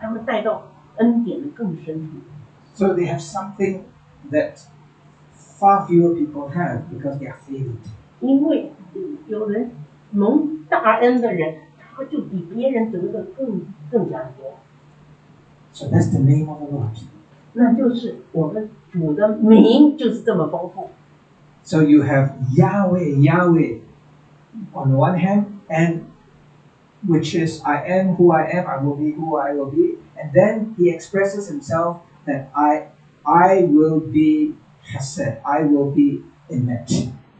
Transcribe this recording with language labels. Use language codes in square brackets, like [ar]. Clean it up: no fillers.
[zh] 就是说他们这个涌泉，他也会找到那些特别蒙恩的，就是能把他们带到恩典的更深处。 [en] So they have something that far fewer people have because they are favored. [zh] 因为有人蒙大恩的人，他就比别人得的更加多。 [en] So that's the name of the Lord. [zh] 那就是我们主的名就是这么丰富。 [en] So you have Yahweh, Yahweh on the one hand, and which is I am who I am, I will be who I will be, and then he expresses himself that I will be chesed, I will be emet.